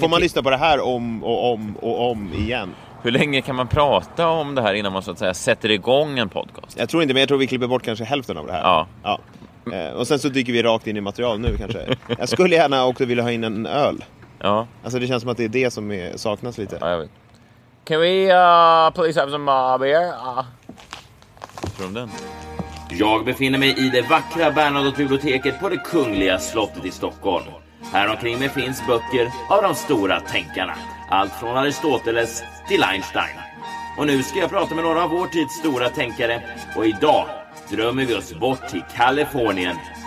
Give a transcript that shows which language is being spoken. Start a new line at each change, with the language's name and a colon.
Swedish: då får man lyssna på det här om och om och om igen. Hur länge kan man prata om det här innan man så att säga sätter igång en podcast? Jag tror inte, men jag tror vi klipper bort kanske hälften av det här. Ja. Ja. Och sen så dyker vi rakt in i material nu kanske. Jag skulle gärna också vilja ha in en öl. Ja. Alltså det känns som att det är det som saknas lite. Ja, jag vet.
English: Can we please have some beer? From them.
Swedish: Jag befinner mig i det vackra Bernadotte-biblioteket på det kungliga slottet i Stockholm. Här omkring mig finns böcker av de stora tänkarna. Allt från Aristoteles till Einstein. Och nu ska jag prata med några av vår tids stora tänkare. Och idag drömmer vi oss bort till Kalifornien.